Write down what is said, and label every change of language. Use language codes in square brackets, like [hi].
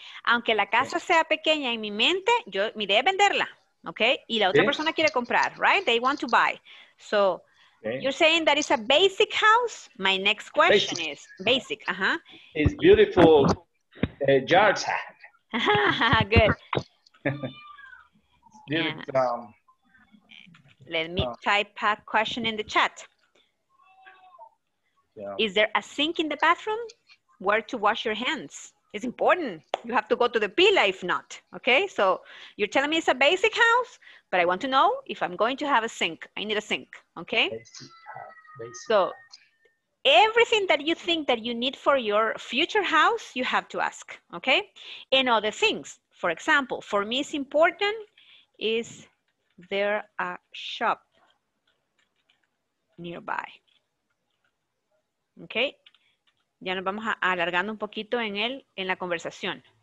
[es] Aunque la casa sea pequeña en mi mente, mi idea es venderla. [en] Okay? Y la otra persona quiere comprar, right? They want to buy. So, you're saying that it's a basic house? My next question is basic. Uh-huh. It's beautiful. Yard side. Good. It's beautiful. Yeah. Let me type a question in the chat. Yeah. Is there a sink in the bathroom? Where to wash your hands? It's important. You have to go to the pila if not. Okay, so you're telling me it's a basic house, but I want to know if I'm going to have a sink. I need a sink. Okay. Basic. So everything that you think that you need for your future house, you have to ask. Okay. And other things. For example, for me, it's important, is there a shop nearby? Okay. [es] Ya nos vamos alargando un poquito en el, en la conversación.